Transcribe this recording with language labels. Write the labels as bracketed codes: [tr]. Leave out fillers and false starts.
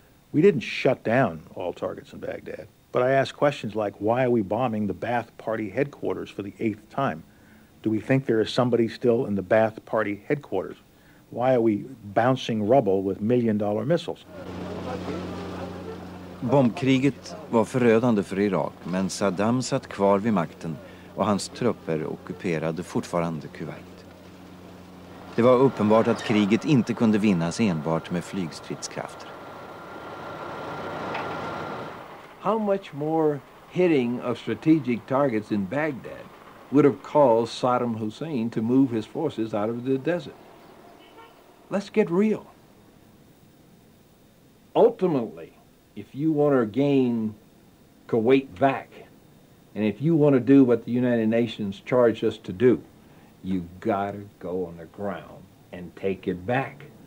[en] We didn't shut down all targets in Baghdad, but I asked questions like, why are we bombing the Ba'ath Party headquarters for the eighth time? Do we think there is somebody still in the Ba'ath Party headquarters? Why are we bouncing rubble with million-dollar missiles? [sv] Bombkriget var förödande för Irak, men Saddam satt kvar vid makten och hans trupper ockuperade fortfarande Kuwait. Det var uppenbart att kriget inte kunde vinnas enbart med flygstridskrafter. [en] How much more hitting of strategic targets in Baghdad would have caused Saddam Hussein to move his forces out of the desert? Let's get real. Ultimately, if you want to gain Kuwait back, and if you want to do what the United Nations charged us to do, you've got to go on the ground and take it back.